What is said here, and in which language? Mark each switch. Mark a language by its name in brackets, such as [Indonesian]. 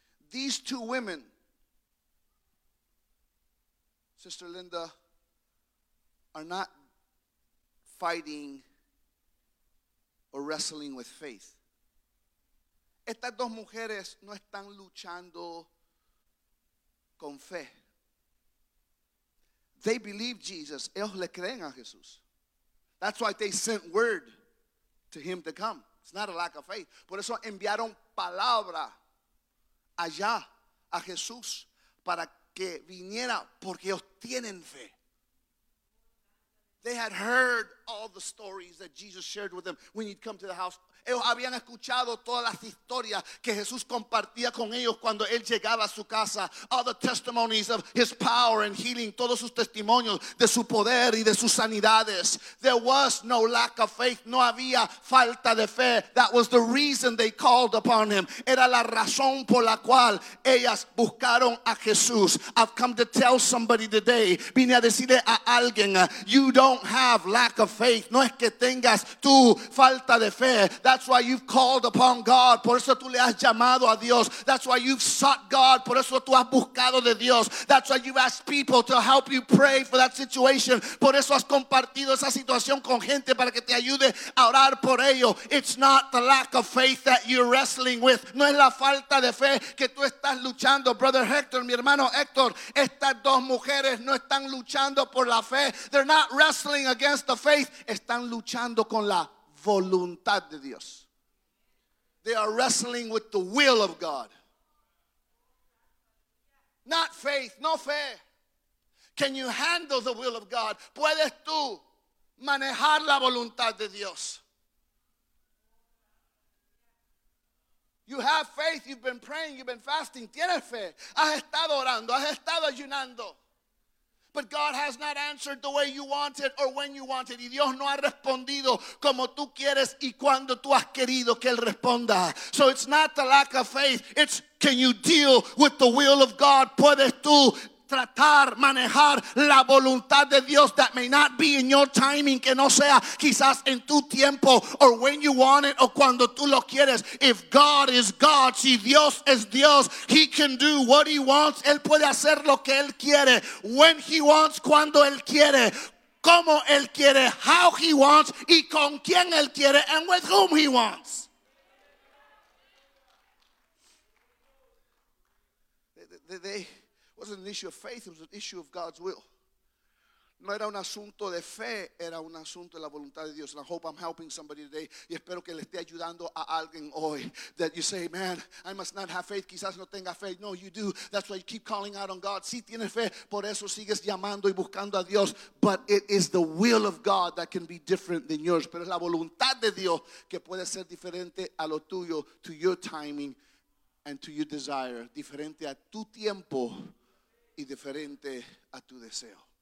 [English] These two women, Sister Linda, are not fighting or wrestling with faith. [Spanish] Estas dos mujeres no están luchando con fe. [English] They believe Jesus. [Spanish] Ellos le creen a Jesús. [English] That's why they sent word to him to come. It's not a lack of faith. [Spanish] Por eso enviaron palabra allá a Jesús para que viniera porque ellos tienen fe. [English] They had heard all the stories that Jesus shared with them when he'd come to the house. [Spanish] Ellos habían escuchado todas las historias que Jesús compartía con ellos cuando él llegaba a su casa. [English] All the testimonies of his power and healing. [Spanish] Todos sus testimonios de su poder y de sus sanidades. [English] There was no lack of faith. [Spanish] No había falta de fe. [English] That was the reason they called upon him. [Spanish] Era la razón por la cual ellas buscaron a Jesús. [English] I've come to tell somebody today. [Spanish] Vine a decirle a alguien. [English] You don't have lack of faith. [Spanish] No es que tengas tú falta de fe. [English] That's why you've called upon God. [Spanish] Por eso tú le has llamado a Dios. [English] That's why you've sought God. [Spanish] Por eso tú has buscado de Dios. [English] That's why you've asked people to help you pray for that situation. [Spanish] Por eso has compartido esa situación con gente para que te ayude a orar por ello. [English] It's not the lack of faith that you're wrestling with. [Spanish] No es la falta de fe que tú estás luchando. [English] Brother Hector, [Spanish] mi hermano Héctor, estas dos mujeres no están luchando por la fe. [English] They're not wrestling against the faith. [Spanish] Están luchando con la voluntad de Dios. [English] They are wrestling with the will of God. Not faith, [Spanish] no fe. [English] Can you handle the will of God? [Spanish] ¿Puedes tú manejar la voluntad de Dios? [English] You have faith, you've been praying, you've been fasting. [Spanish] ¿Tienes fe? Has estado orando, has estado ayunando. [English] But God has not answered the way you wanted or when you wanted. [Spanish] Y Dios no ha respondido como tú quieres y cuando tú has querido que Él responda. [English] So it's not the lack of faith. It's can you deal with the will of God? [Spanish] ¿Puedes tú tratar, manejar la voluntad de Dios? [English] That may not be in your timing, [Spanish] que no sea quizás en tu tiempo, [English] or when you want it, [Spanish] o cuando tú lo quieres. [English] If God is God, [Spanish] si Dios es Dios, [English] he can do what he wants. [Spanish] Él puede hacer lo que él quiere, [English] when he wants, [Spanish] cuando él quiere, como él quiere, [English] how he wants, [Spanish] y con quien él quiere, [English] and with whom he wants. It wasn't an issue of faith, it was an issue of God's will. [Spanish] No era un asunto de fe, era un asunto de la voluntad de Dios. [English] And I hope I'm helping somebody today. [Spanish] Y espero que le esté ayudando a alguien hoy. [English] That you say, man, I must not have faith. [Spanish] Quizás no tenga fe. [English] No, you do. That's why you keep calling out on God. [Spanish] Sí, tienes fe. Por eso sigues llamando y buscando a Dios. [English] But it is the will of God that can be different than yours. [Spanish] Pero es la voluntad de Dios que puede ser diferente a lo tuyo, [English] to your timing and to your desire. [Spanish] Diferente a tu tiempo. Y diferente a tu deseo.